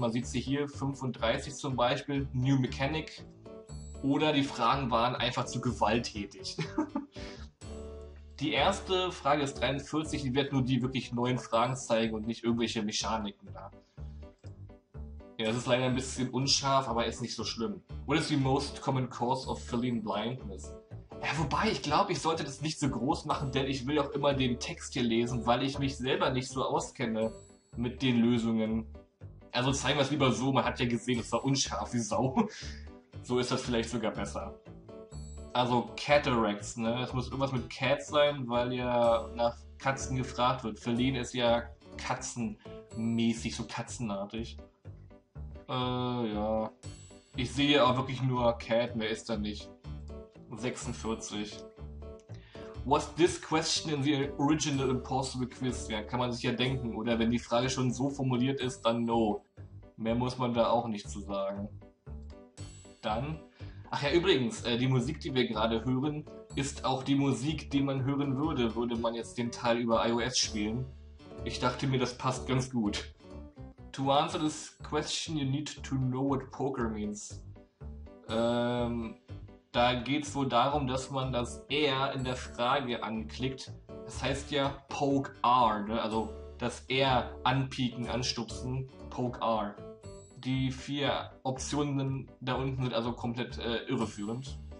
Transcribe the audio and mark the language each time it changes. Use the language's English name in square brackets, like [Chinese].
[German] Man sieht sie hier, 35 zum Beispiel, New Mechanic. Oder die Fragen waren einfach zu gewalttätig. Die erste Frage ist 43, die wird nur die wirklich neuen Fragen zeigen und nicht irgendwelche Mechaniken da. Ja, es ist leider ein bisschen unscharf, aber ist nicht so schlimm. [English] What is the most common cause of feeling blindness? [German] Ja, wobei, ich glaube, ich sollte das nicht so groß machen, denn ich will auch immer den Text hier lesen, weil ich mich selber nicht so auskenne mit den Lösungen. Also zeigen wir es lieber so, man hat ja gesehen, es war unscharf wie Sau. So ist das vielleicht sogar besser. Also Cataracts, ne? Es muss irgendwas mit Cats sein, weil ja nach Katzen gefragt wird. Feline ist ja katzenmäßig, so katzenartig. Ja. Ich sehe auch wirklich nur Cat, mehr ist da nicht. 46. [English] Was this question in the original Impossible Quiz? [German] Ja, kann man sich ja denken, oder wenn die Frage schon so formuliert ist, dann no. Mehr muss man da auch nicht zu sagen. Dann. Ach ja, übrigens, die Musik, die wir gerade hören, ist auch die Musik, die man hören würde, würde man jetzt den Teil über iOS spielen. Ich dachte mir, das passt ganz gut. [English] To answer this question, you need to know what poker means. [German] Da geht es wohl darum, dass man das R in der Frage anklickt. Das heißt ja Poke R, ne? Also das R anpieken, anstupsen, Poke R. Die vier Optionen da unten sind also komplett irreführend.